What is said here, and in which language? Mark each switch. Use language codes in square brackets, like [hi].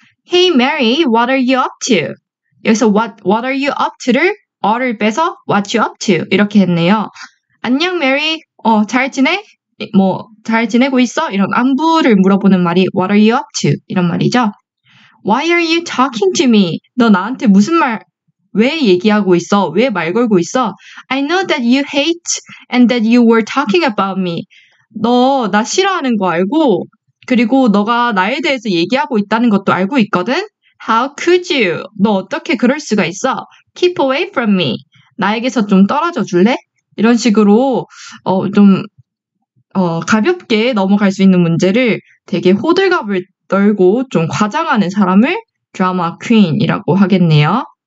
[en] Hey Mary, what are you up to? [ko] 여기서 [en] what are you up to를 [ko] 어를 빼서 [en] what you up to [ko] 이렇게 했네요. 안녕 메리, 잘 지내? 뭐 잘 지내고 있어? 이런 안부를 물어보는 말이 [en] what are you up to [ko] 이런 말이죠. [en] Why are you talking to me? [ko] 너 나한테 무슨 말 왜 얘기하고 있어? 왜 말 걸고 있어? [en] I know that you hate and that you were talking about me. [ko] 너 나 싫어하는 거 알고 그리고 너가 나에 대해서 얘기하고 있다는 것도 알고 있거든. [en] How could you? [ko] 너 어떻게 그럴 수가 있어? [en] Keep away from me. [ko] 나에게서 좀 떨어져 줄래? 이런 식으로 가볍게 넘어갈 수 있는 문제를 되게 호들갑을 떨고 좀 과장하는 사람을 드라마 퀸이라고 하겠네요.